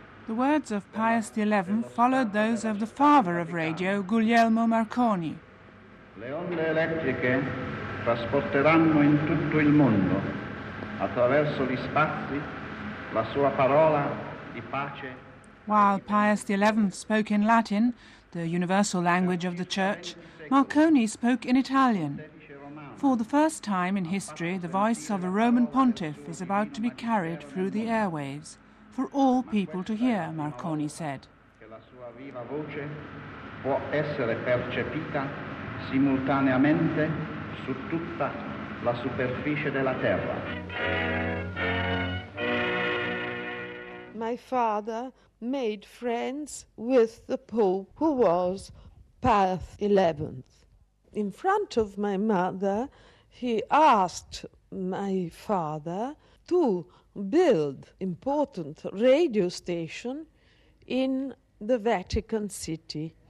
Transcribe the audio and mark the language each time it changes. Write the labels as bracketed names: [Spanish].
[English] The words of Pius XI followed those of the father of radio, Guglielmo Marconi. [Italian] Le onde elettriche trasporteranno in tutto il mondo, attraverso gli spazi, la sua parola di pace. [English] While Pius XI spoke in Latin, the universal language of the Church, Marconi spoke in Italian. For the first time in history, the voice of a Roman pontiff is about to be carried through the airwaves for all people to hear, Marconi said. [Italian] La sua viva voce può essere percepita simultaneamente su tutta la superficie della terra. [English] My father made friends with the Pope, who was Pius XI. In front of my mother, he asked my father to build important radio station in the Vatican City.